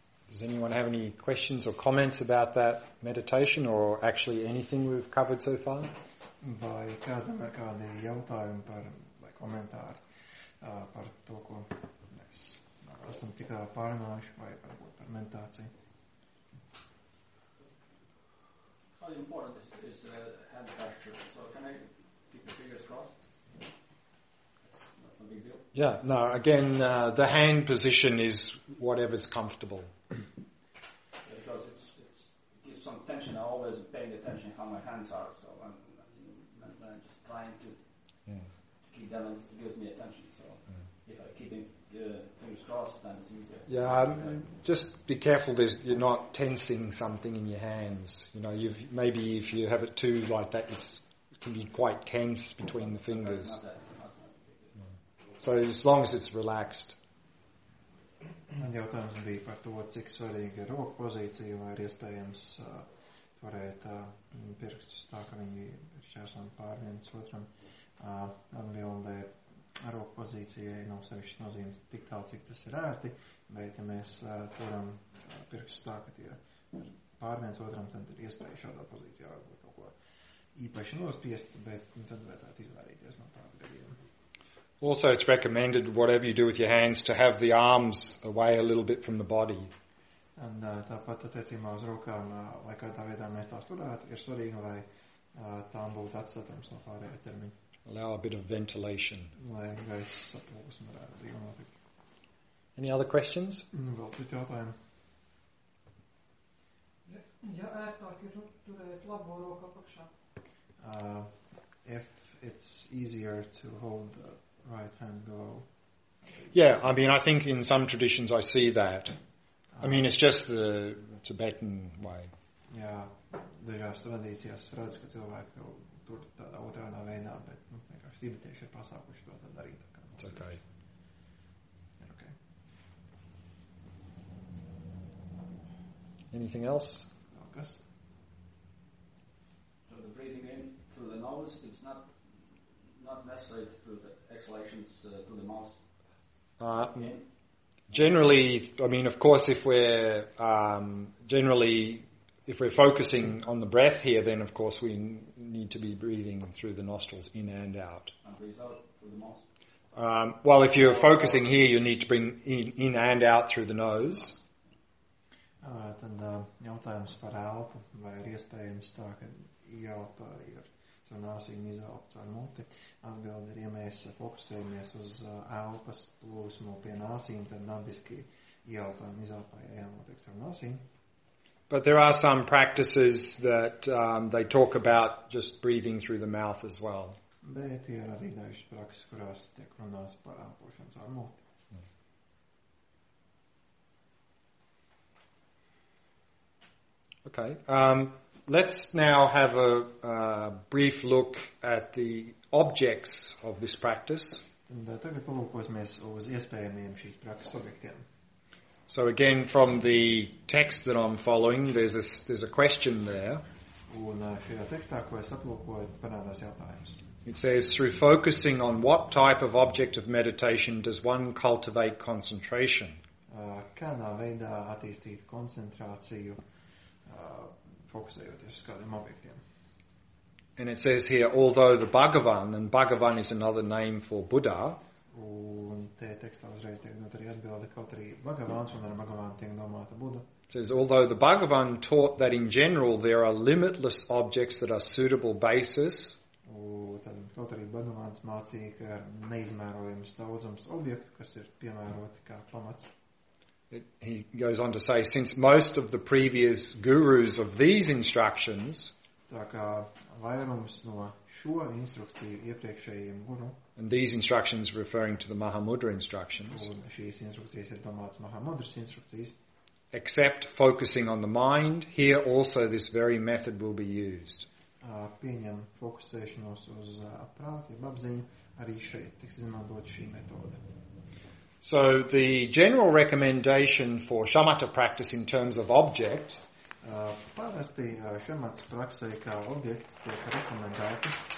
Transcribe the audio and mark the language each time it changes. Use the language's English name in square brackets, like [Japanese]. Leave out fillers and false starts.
[English] Does anyone have any questions or comments about that meditation or actually anything we've covered so far? [Latvian] Vai kādam ir kādi jautājumi par, vai komentāri par to, ko mēs esam tikā pārnājuši vai varbūt par meditāciju? [English] How important is hand gesture? So can I keep the fingers crossed? That's not a big deal. Yeah, no, again, the hand position is whatever's comfortable. Because it's it gives some tension. I always pay attention how my hands are, so I'm just trying to keep them and give me attention. So if I keep the fingers crossed, then it's easier. Yeah, just be careful that you're not tensing something in your hands. You know, maybe if you have it too like that, it can be quite tense between the fingers. Not that. So as long as it's relaxed. [Latvian] Man jautājums bija par to, cik svarīga ir roku pozīcija, vai ir iespējams turēt pirkstus tā, ka viņi ir šķērsami pāri viens otram. Atbildēja ar roku pozīcijai nav sevišķi nozīmes tik tālu, cik tas ir ērti, bet ja mēs turam pirkstus tā, ka tie ir pāri viens otram, tad ir iespēja šādā pozīcijā varbūt kaut ko īpaši nospiest, bet tad vajadzētu izvērīties no tāda gadījuma. [English] Also, it's recommended, whatever you do with your hands, to have the arms away a little bit from the body. And [Latvian] tāpat attiecībā uz rokām, lai kādā veidā mēs tās turētu, ir svarīgi, lai tām būtu atstatums no pārējā termiņa. [English] Allow a bit of ventilation. [Latvian] Lai gaisa saplūgus varētu arī notikt. [English] Any other questions? [Latvian] Vēl citu jautājumu. Ja ērtāk ir turēt labo roku apakšā. [English] If it's easier to hold the right hand below. Yeah, I mean, I think in some traditions I see that. I mean, it's just the Tibetan way. [Latvian] Yeah, dažās tradīcijās redzu, ka cilvēki to tur tādā otrādā veidā, bet vienkārši tibetieši ir pasākuši to tad darīt. [English] It's okay. Okay. Anything else? No, Gus? So the breathing in through the nose, it's not necessary through the exhalations through the mouth. Generally, I mean, of course, if we're focusing on the breath here, then of course we need to be breathing through the nostrils in and out. And breathe out through the nose. Well, if you're focusing here, you need to bring in and out through the nose. [Latvian] Tad jautājums par elpu, vai ir iespējams tā, ka ielpa ir caur nāsīm izelpa caur muti. Atbildi ir, ja mēs fokusējamies uz elpas plūsmu pie nāsīm, tad nabiski ielpa un izelpa ir jānotiek caur nāsīm. [English] But there are some practices that they talk about just breathing through the mouth as well. [Latvian] Bet ir arī dažas prakses, kurās tiek runās par elpošanu caur muti. [English] Okay. Let's now have a brief look at the objects of this practice. [Latvian] Tagad palūkosimies uz iespējamiem šīs prakses objektiem. [English] So again, from the text that I'm following, there's a question there. [Latvian] Un šajā tekstā, ko es aplūkoju, parādās jautājums. [English] It says, through focusing on what type of object of meditation does one cultivate concentration? [Latvian] Kādā veidā attīstīt koncentrāciju, fokusējoties uz kādiem objektiem. [English] And it says here, although the Bhagavan, and Bhagavan is another name for Buddha. [Latvian] Un te tekstā uzreiz tiek dot arī atbilde, kaut arī Bhagavans, un ar Bhagavan tiek domāta Buddha. [English] It says, although the Bhagavan taught that in general there are limitless objects that are suitable basis. [Latvian] Un kaut arī Bhagavans mācīja, ka ir neizmērojams daudzums objektu, kas ir piemēroti kā pamats. [English] He goes on to say, since most of the previous gurus of these instructions, [Latvian] tā kā vairums no šo instrukciju iepriekšējiem guru, [English] and these instructions referring to the Mahamudra instructions, [Latvian] un šīs instrukcijas ir domātas Mahamudras instrukcijas, [English] except focusing on the mind, here also this very method will be used. [Latvian] Pieņem fokusēšanos uz prāti, jeb apziņu, arī šeit tiks izmantot šī metode. [English] So the general recommendation for shamatha practice in terms of object [Latvian] parasti, šamatas praksē kā objekts tiek rekomendēti,